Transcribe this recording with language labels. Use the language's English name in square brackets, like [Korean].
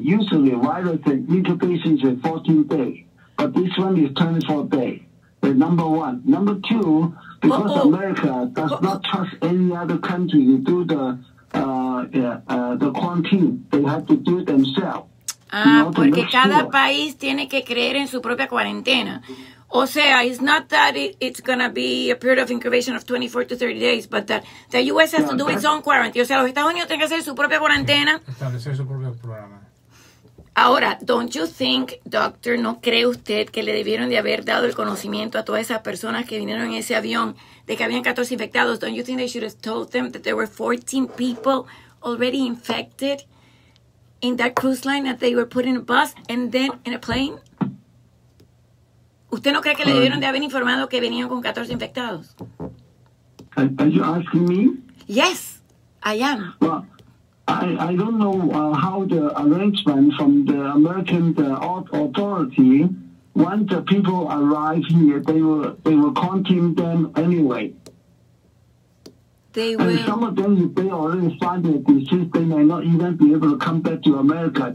[English] Usually, virus incubation is 14 days, but this one is 24 days. That's number one. Number two, because America does not trust any other country to do the quarantine, they have to do it themselves. [Spanish] Porque cada país tiene que creer en su propia cuarentena. O sea, [English] it's not that it's going to be a period of incubation of 24 to 30 days, but that the U.S. has to do its own quarantine. [Spanish] O sea, los Estados Unidos tienen que hacer su propia cuarentena. Establecer su propio programa. Ahora, [English] don't you think, doctor, [Spanish] ¿no cree usted que le debieron de haber dado el conocimiento a todas esas personas que vinieron en ese avión de que habían 14 infectados? [English] Don't you think they should have told them that there were 14 people already infected in that cruise line that they were put in a bus and then in a plane? [Spanish] ¿Usted no cree que le debieron de haber informado que venían con 14 infectados? [English] Are you asking me? Yes, I am. Well, I don't know how the arrangement from the American authority, once the people arrive here, they will quarantine them anyway. Some of them, if they already find the disease, they may not even be able to come back to America.